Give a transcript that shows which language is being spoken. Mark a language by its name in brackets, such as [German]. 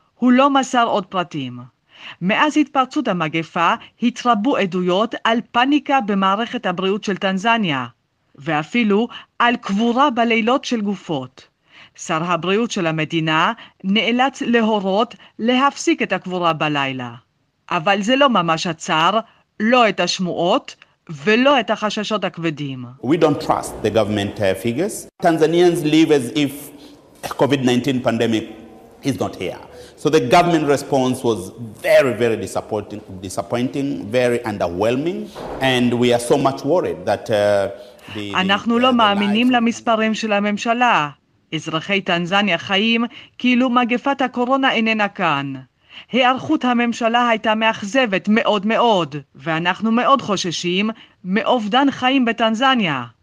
[Hebrew] הוא לא מסר עוד פרטים. מאז התפרצות המגפה התרבו עדויות על פאניקה במערכת הבריאות של טנזניה, ואפילו על קבורה בלילות של גופות. שר הבריאות של המדינה נאלץ להורות להפסיק את הקבורה בלילה. אבל זה לא ממש עצר, לא את השמועות ולא את החששות הכבדים. [English] We don't trust the government figures. Tanzanians live as if COVID-19 pandemic is not here. So the government response was very, very disappointing, very underwhelming, and we are so much worried that [Hebrew] אנחנו לא מאמינים למספרים של הממשלה. אזרחי טנזניה חיים כאילו מגפת הקורונה איננה כאן. היערכות הממשלה הייתה מאכזבת מאוד מאוד, ואנחנו מאוד חוששים מאובדן חיים בטנזניה.